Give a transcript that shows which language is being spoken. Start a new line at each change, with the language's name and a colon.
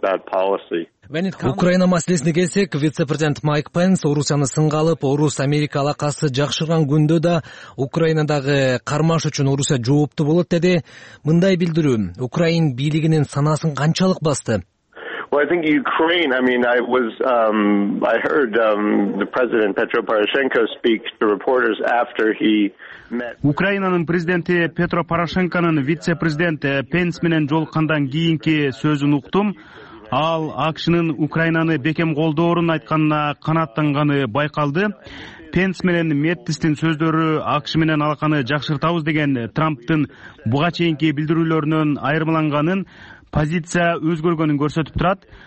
Kyrgyz: Украина маселесине келсек, вице-президент Майк Пенс Орусияны сынга алып, Орус Америка алакасы жакшырган күндө да Украинадагы кармаш үчүн Орусия жооптуу болот деди. Мындай билдирүү Украин бийлигинин санасын канчалык басты?
English: Well, I think Ukraine, I heard the president Petro Poroshenko speak to reporters after he met
Kyrgyz: Украинанын президенти Петро Порошенконун вице-президент Пенс менен жолуккандан кийинки сөзүн уктум. Ал АКШнын Украинаны бекем колдоорун айтканына канааттанганы байкалды. Пенс менен Меттистин сөздөрү АКШ менен алаканы жакшыртабыз деген Трамптын буга чейинки билдирүүлөрүнөн айырмаланганын, позиция өзгөргөнүн көрсөтүп турат.